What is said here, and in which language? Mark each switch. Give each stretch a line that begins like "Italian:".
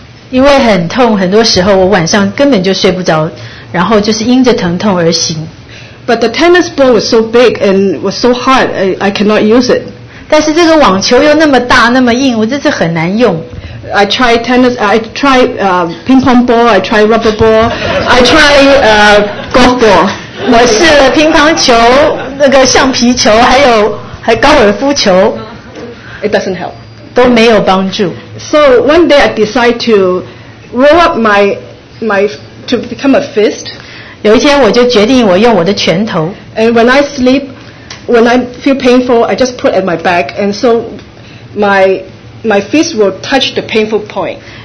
Chinese: 因为很痛，很多时候我晚上根本就睡不着。然后就是因着疼痛而醒。
English: But the tennis ball was so big and was so hard, I cannot use it.
Chinese: 但是这个网球又那么大，那么硬，我真是很难用。
English: I try tennis, I try ping pong ball, I try rubber ball, I try golf ball.
Chinese: 我试了乒乓球、那个橡皮球，还有高尔夫球。
English: It doesn't help.
Chinese: 都没有帮助。
English: So one day I decide to roll up my to become a fist.
Chinese: 有一天我就决定我用我的拳头。
English: And when I sleep, when I feel painful, I just put at my back, and so my fist will touch the painful point.